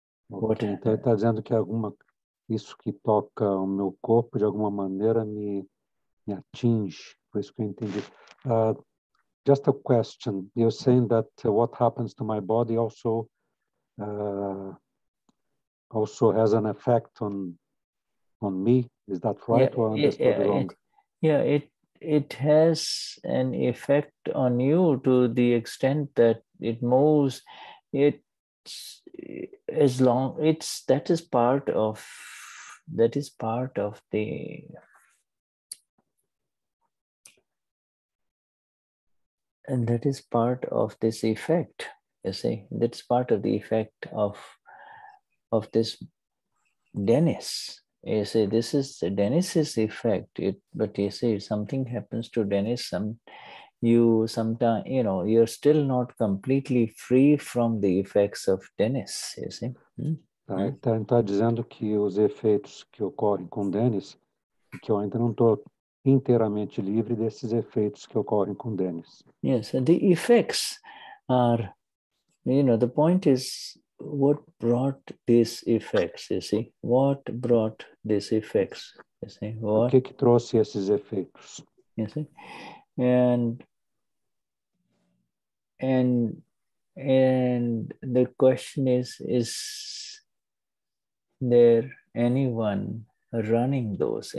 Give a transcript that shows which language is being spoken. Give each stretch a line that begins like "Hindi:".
Portuguese: Okay, então ele está dizendo que alguma, isso que toca o meu corpo de alguma maneira me atinge, por isso que eu entendi.
English: Just a question, you're saying that what happens to my body also has an effect on me, is that right? Yeah, or understood wrong? It has an effect on you to the extent that it moves. That is part of the and that is part of this effect. You see, that's part of the effect of this Dennis. You see, this is Dennis's effect. But you see, something happens to Dennis. You're still not completely free from the effects of Dennis. You see.
Portuguese: Tá, então está dizendo que os efeitos que ocorrem com Dennis, que eu ainda não estou inteiramente livre desses efeitos que ocorrem com Dennis.
English: Yes, and the effects are. You know, the point is, what brought these effects, you see? What brought these effects, you see?
Portuguese: O que trouxe esses efeitos?
English: You see? And the question is there anyone running those?